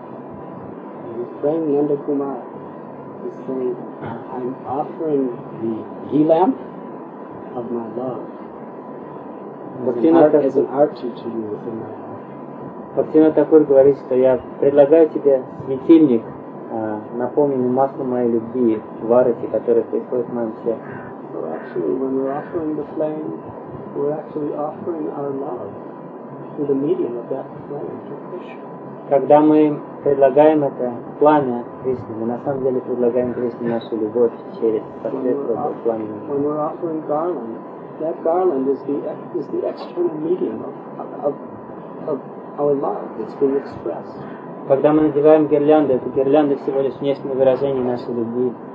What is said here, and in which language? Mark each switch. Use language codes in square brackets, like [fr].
[en] Nanda Kumar is saying, I'm offering the ghee lamp of my love as an archi to you within my heart. [ru] Bhaktivinoda Thakur говорит, что я предлагаю тебе светильник, наполненный маслом моей любви в арати, которая происходит в моем сердце. [en] So actually, when we're offering the flame, we're actually offering our love through the medium of that flame to Krishna. [ru] Когда мы предлагаем это пламя Кришне, мы на самом деле предлагаем Кришне нашу любовь через посредство пламени. [en] When we're offering garland, that garland is the external medium of our love. It's being expressed. [ru] Когда мы надеваем гирлянды, это гирлянды всего лишь внешнее выражение нашей любви.